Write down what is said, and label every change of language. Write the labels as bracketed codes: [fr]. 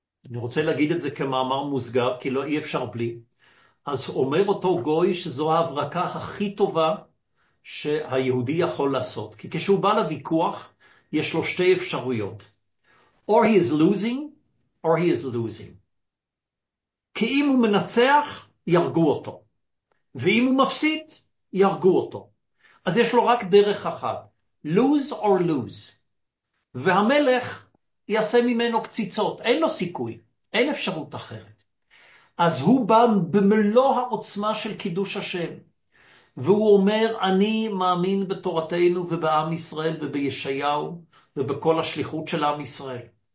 [he] אני רוצה להגיד את זה כמאמר מוסגר, כי לא אי אפשר בלי. אז אומר אותו גוי שזו ההברקה הכי טובה שהיהודי יכול לעשות. כי כשהוא בא לוויכוח, יש לו שתי אפשרויות. [en] Or he is losing, or he is losing. [he] כי אם הוא מנצח, ירגו אותו. ואם הוא מפסיד, יהרגו אותו. אז יש לו רק דרך אחת, [en] lose or lose. [he] והמלך יעשה ממנו קציצות, אין לו סיכוי, אין אפשרות אחרת. אז הוא בא במלוא העוצמה של קידוש השם, והוא אומר, אני מאמין בתורתנו ובעם ישראל ובישעיהו, ובכל השליחות של עם ישראל.